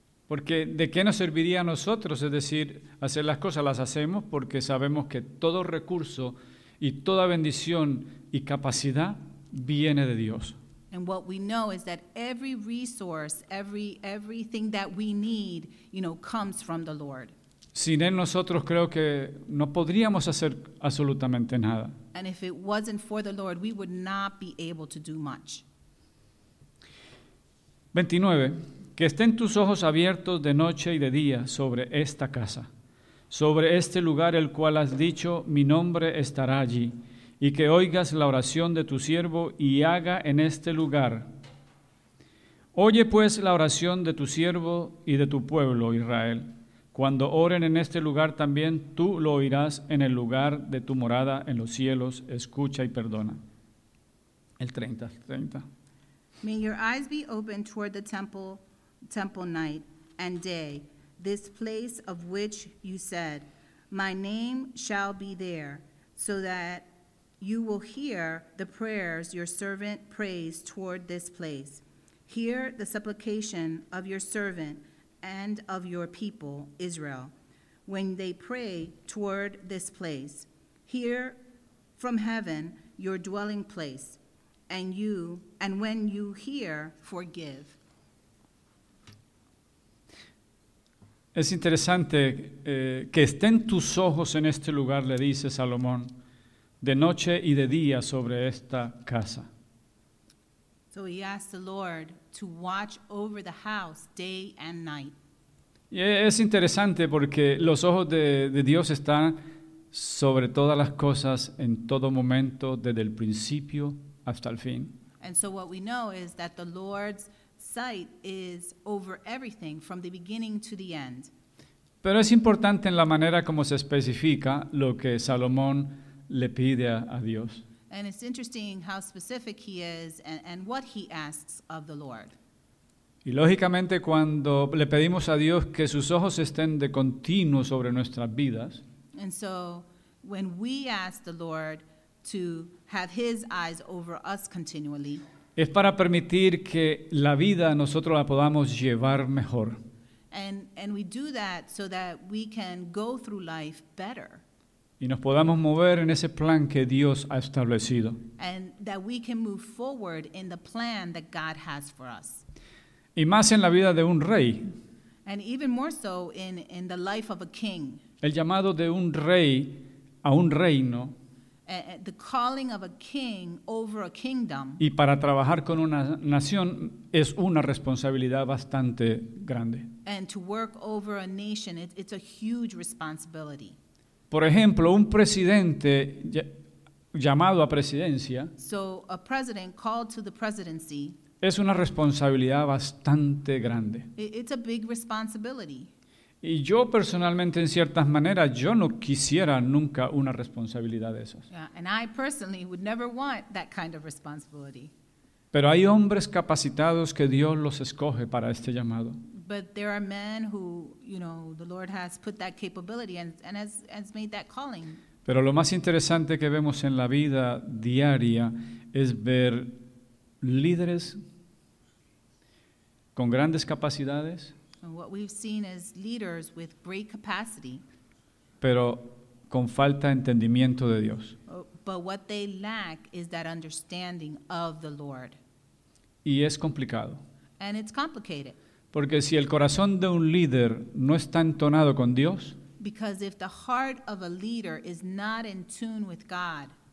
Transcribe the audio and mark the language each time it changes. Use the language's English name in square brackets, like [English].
[Spanish] Porque ¿de qué nos serviría a nosotros? Es decir, hacer las cosas, las hacemos porque sabemos que todo recurso y toda bendición y capacidad viene de Dios. [English] And what we know is that every resource, everything that we need, you know, comes from the Lord. [Spanish] Sin él nosotros creo que no podríamos hacer absolutamente nada. [English] And if it wasn't for the Lord, we would not be able to do much. [Spanish] 29. Que estén tus ojos abiertos de noche y de día sobre esta casa, sobre este lugar el cual has dicho, mi nombre estará allí. Y que oigas la oración de tu siervo y haga en este lugar. Oye pues la oración de tu siervo y de tu pueblo, Israel. Cuando oren en este lugar también, tú lo oirás en el lugar de tu morada en los cielos. Escucha y perdona. El 30. [English] May your eyes be open toward the temple night and day, this place of which you said, my name shall be there, so that you will hear the prayers your servant prays toward this place. Hear the supplication of your servant and of your people, Israel, when they pray toward this place. Hear from heaven your dwelling place, and when you hear, forgive. [Spanish] Es interesante que estén tus ojos en este lugar, le dice Salomón. De noche y de día sobre esta casa. [English] So he asked the Lord to watch over the house day and night. [Spanish] Y es interesante porque los ojos de Dios están sobre todas las cosas en todo momento, desde el principio hasta el fin. [English] And so what we know is that the Lord's sight is over everything from the beginning to the end. [Spanish] Pero es importante en la manera como se especifica lo que Salomón le pide a Dios. [English] And it's interesting how specific he is and what he asks of the Lord. [Spanish] Y lógicamente cuando le pedimos a Dios que sus ojos estén de continuo sobre nuestras vidas. [English] And so when we ask the Lord to have his eyes over us continually. [Spanish] Es para permitir que la vida nosotros la podamos llevar mejor. [English] And we do that so that we can go through life better. [Spanish] Y nos podamos mover en ese plan que Dios ha establecido. [English] And that we can move forward in the plan that God has for us. [Spanish] Y más en la vida de un rey. [English] And even more so in the life of a king. [Spanish] El llamado de un rey a un reino. [English] The calling of a king over a kingdom. [Spanish] Y para trabajar con una nación es una responsabilidad bastante grande. [English] And to work over a nation, it's a huge responsibility. [Spanish] Por ejemplo, un presidente llamado a presidencia. [English] So a president called to the presidency. [Spanish] Es una responsabilidad bastante grande. [English] It's a big responsibility. [Spanish] Y yo personalmente, en ciertas maneras, yo no quisiera nunca una responsabilidad de esas. [English] Yeah, and I personally would never want that kind of responsibility. [Spanish] Pero hay hombres capacitados que Dios los escoge para este llamado. [English] But there are men who, you know, the Lord has put that capability and has made that calling. [Spanish] Pero lo más interesante que vemos en la vida diaria es ver líderes con grandes capacidades. [English] And what we've seen is leaders with great capacity. [Spanish] Pero con falta de entendimiento de Dios. [English] But what they lack is that understanding of the Lord. [Spanish] Y es complicado. [English] And it's complicated. [Spanish] Porque si el corazón de un líder no está entonado con Dios, [English] because if the heart of a leader is not in tune with God,